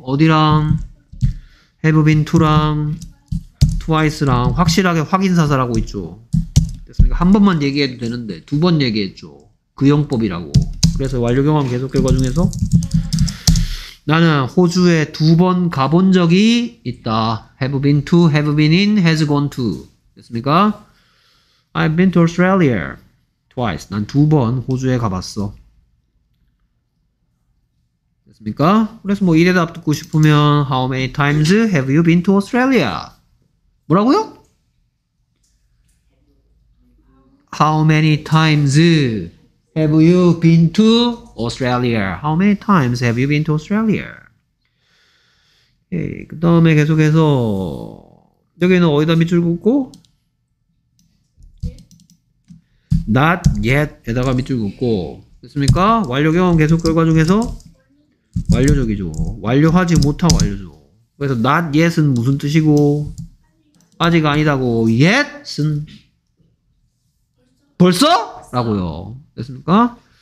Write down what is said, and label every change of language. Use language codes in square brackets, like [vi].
[ko] 어디랑 have been to랑 twice랑 확실하게 확인사살하고 있죠. 됐습니까? 한 번만 얘기해도 되는데 두 번 얘기했죠. 그 영법이라고. 그래서 완료 경험 계속 결과 중에서 나는 호주에 두 번 가본 적이 있다. [en] have been to, have been in, has gone to. [ko] 됐습니까? [en] I've been to Australia twice. [ko] 난 두 번 호주에 가봤어. 됐습니까? 그래서 뭐 이 대답 듣고 싶으면 [en] How many times have you been to Australia? [ko] 뭐라고요? [en] How many times have you been to Australia? How many times have you been to Australia? [ko] 그 다음에 계속해서 여기는 어디다 밑줄 긋고? Not yet 에다가 밑줄 긋고 됐습니까? 완료 경험 계속 결과 중에서 완료적이죠. 완료하지 못한 완료죠. 그래서 Not yet은 무슨 뜻이고 아직 아니다고 yet은 벌써? 라고요. 됐습니까?